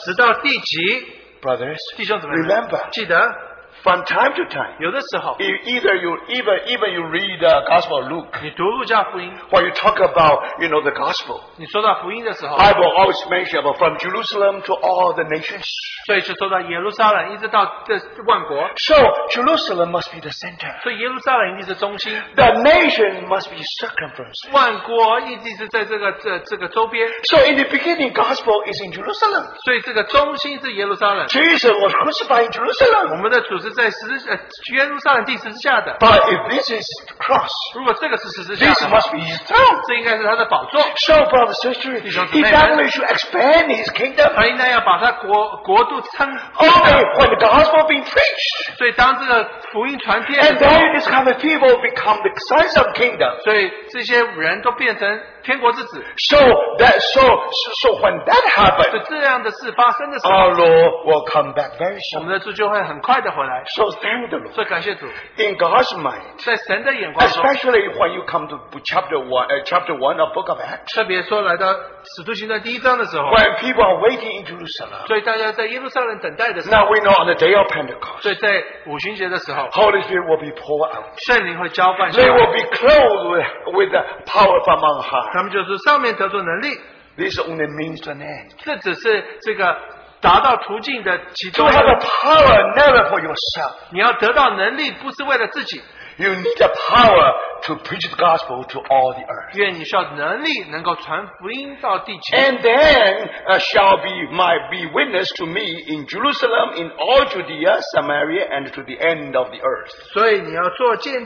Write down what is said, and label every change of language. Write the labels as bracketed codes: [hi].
[zh] 直到地极, [en] brothers, [zh] 弟兄姊妹们, [en] remember. [zh] 记得, [en] from time to time. [zh] 有的时候, [en] either you read the Gospel of Luke. [zh] 你读路加福音, [en] or you talk about, you know, the Gospel. [zh] 你说到福音的时候, [en] I will always mention about from Jerusalem to all the nations. [zh] 所以是说到耶路撒冷, 一直到万国, [en] so Jerusalem must be the center. [zh] 所以耶路撒冷一直中心, [en] the nation must be circumference. [zh] 万国一直是在这个周边, [en] so in the beginning, Gospel is in Jerusalem. [zh] 所以这个中心是耶路撒冷, [en] Jesus was crucified in Jerusalem. [zh] 主是在耶路撒冷地十字架的, [en] but if this is the cross, [zh] 如果这个是十字架的, [en] this must be his throne. [zh] 这应该是他的宝座, [en] so, brother, sister, [zh] 弟兄姊妹们, [en] he definitely should expand his kingdom. [zh] 他应该要把他国度撑, [en] only when the gospel being preached. [zh] 所以当这个福音传遍, [en] and then this kind of people become the signs of kingdom. [zh] 所以这些人都变成, [en] So when that happens, [zh] 这样的事发生的时候, [en] our Lord will come back very soon. [zh] 我们的主就会很快地回来, [en] so thank the Lord. [zh] 所以感谢主, [en] in God's mind, [zh] 在神的眼光中, [en] especially when you come to chapter 1 of Book of Acts, [zh] 特别说来到使徒行传第一章的时候, [en] when people are waiting in Jerusalem, [zh] 所以大家在耶路撒冷等待的时候, [en] now we know on the day of Pentecost, [zh] 所以在五旬节的时候, [en] Holy Spirit will be poured out. [zh] 圣灵会浇灌下来, [en] they will be clothed with the power from on high. This only means an end. To have a power never for yourself. [zh] 你要得到能力不是为了自己, [en] you need a power to preach the gospel to all the earth. [zh] 愿你需要能力能够传福音到地球, [en] and then shall be witness to me in Jerusalem, in all Judea, Samaria, and to the end of the earth.